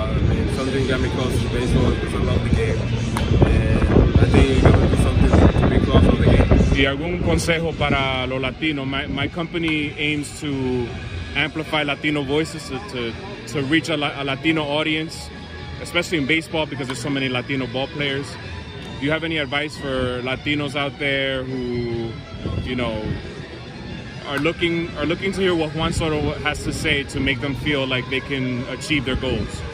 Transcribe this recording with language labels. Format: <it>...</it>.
<en>I mean, something got me close to baseball because I love the game. And I think it's going to be something to be close to the game.</en> <es>¿Y algún consejo para los latinos?</es> <en>My company aims to amplify Latino voices, to reach a Latino audience, especially in baseball because there's so many Latino ball players. Do you have any advice for Latinos out there who, you know, are looking to hear what Juan Soto has to say to make them feel like they can achieve their goals?</en>